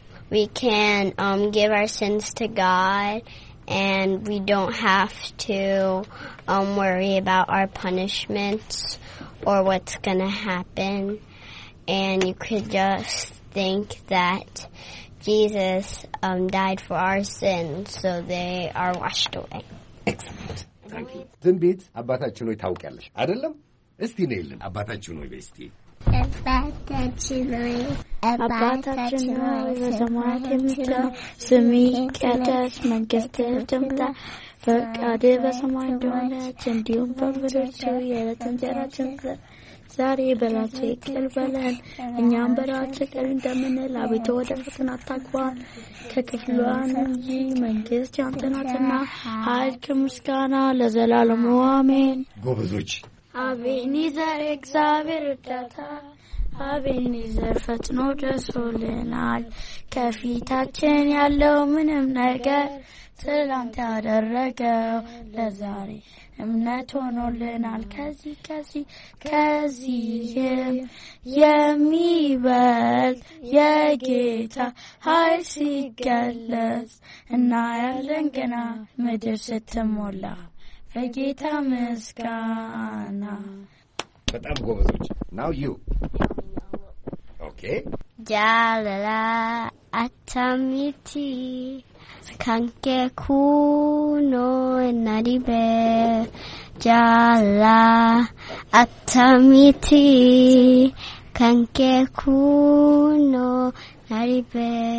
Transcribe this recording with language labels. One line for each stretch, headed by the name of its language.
English: we can give our sins to God and we don't have to worry about our punishments or what's going to happen. And you could just think that Jesus died for our sins, so they are washed away. Excellent. Thank you. Then, Beat, I'll tell you how to do it. Adelam, it's the name. I'll tell you how to do it.
Amharic: አባታችን ሆይ በሰማያት የምትኖር ስምህ ይቀደስ መንግሥትህ ትምጣ ፈቃድህ በሰማይ እንደሆነች እንዲሁም በምድር የዕለት እንጀራችንን ዛሬ በደላችንን ይቅር በለን እኛም በደላችንን ይቅር እንደምንል አቤቱ ወደ ፈተና አታግባን ከክፉ አንጂ መንግሥት ያንተ ናትና ኃይል ምስጋና ለዘላለም አሜን ጎበዞች አቤኒ ዘር እግዚአብሔር ዳታ አቤኒ ዘር ፈጥኖ ደርሶልናል ከፊታችን ያለው ምንም ነገር ትላንት ያደረገው ለዛሬ እምነት ሆኖልናል ከዚህ የሚበልጥ የጌታ ኃይል ሲገለጽ እናያለን ገና ምድር ስትሞላ በጌታ ምስጋና በጣም ጎበዞች
English: now you okay jalala atamiti sakanke ku no nadibe jalala atamiti kanke ku no nadibe